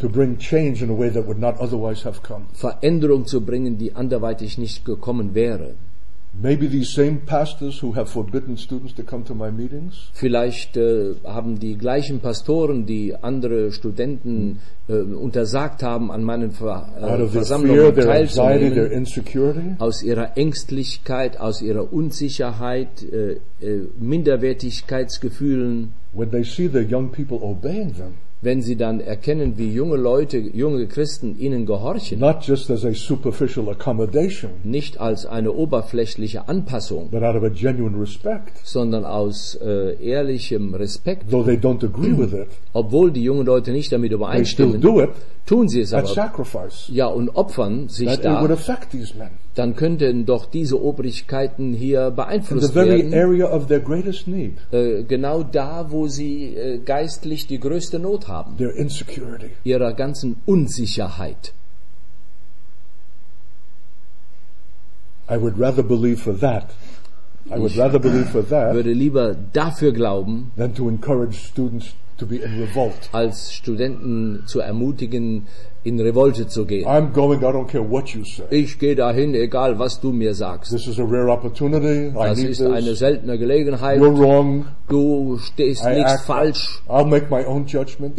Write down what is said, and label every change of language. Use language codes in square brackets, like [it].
[en] To bring change in a way that would not otherwise have come. [de] Veränderung zu bringen, die anderweitig nicht gekommen wäre. [en] Maybe these same pastors who have forbidden students to come to my meetings. [de] Vielleicht haben die gleichen Pastoren, die andere Studenten untersagt haben, an meinen Versammlungen teilzunehmen, aus ihrer Ängstlichkeit, aus ihrer Unsicherheit, Minderwertigkeitsgefühlen. [en] When they see the young people obeying them. [de] Wenn sie dann erkennen, wie junge Leute, junge Christen ihnen gehorchen, [en] not just as a superficial accommodation, [de] nicht als eine oberflächliche Anpassung, [en] but out of a genuine respect, [de] sondern aus ehrlichem Respekt, [en] though they don't agree with it, [de] obwohl die jungen Leute nicht damit übereinstimmen, [en] they still do it, [de] tun sie es aber, [en] sacrifice, [de] ja, und opfern sich [en] that [de] da, [en] it would affect these men. [de] Dann könnten doch diese Obrigkeiten hier beeinflusst [en] in the very [de] werden, [en] area of their greatest need, [de] genau da, wo sie geistlich die größte Not haben, [en] their insecurity. [de] Ihrer ganzen Unsicherheit. [en] I would rather believe for that. I would rather believe for that. [de] Würde lieber dafür glauben, [en] than to encourage students to be in revolt. [de] Als Studenten zu ermutigen, in Revolte zu gehen. [en] I'm going. I don't care what you say. [de] Ich gehe dahin, egal was du mir sagst. [en] This is a rare opportunity. [de] Das ist eine seltene Gelegenheit. [en] You're wrong. [de] Du stehst nicht falsch. [en] I'll make my own judgment.